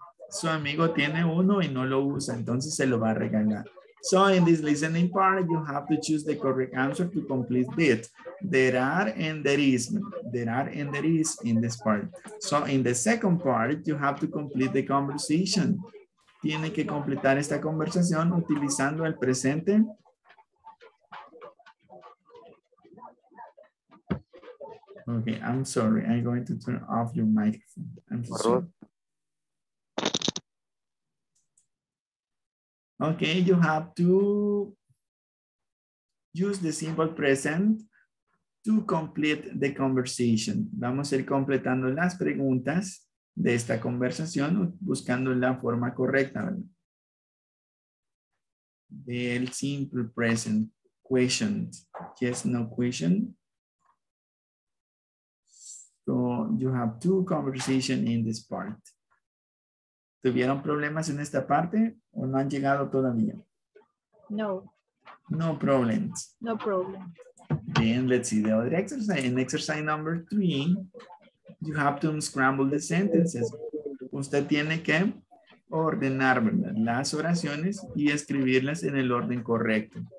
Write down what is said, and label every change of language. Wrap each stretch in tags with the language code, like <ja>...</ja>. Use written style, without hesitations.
<es>Su amigo tiene uno y no lo usa, entonces se lo va a regalar.</es> <en>So in this listening part, you have to choose the correct answer to complete this. There are and there is. There are and there is in this part. So in the second part, you have to complete the conversation.</en> <es>Tiene que completar esta conversación utilizando el presente.</es> <en>Okay, I'm sorry. I'm going to turn off your microphone. I'm sorry. Okay, you have to use the simple present to complete the conversation.</en> <es>Vamos a ir completando las preguntas de esta conversación buscando la forma correcta.</es> <en>Del simple present question. Yes, no question. So you have 2 conversations in this part.</en> <es>¿Tuvieron problemas en esta parte o no han llegado todavía?</es> <en>No. No problems. No problem. Then let's see the other exercise. In exercise number 3, you have to unscramble the sentences.</en> <es>Usted tiene que ordenar, ¿verdad?, las oraciones y escribirlas en el orden correcto.</es>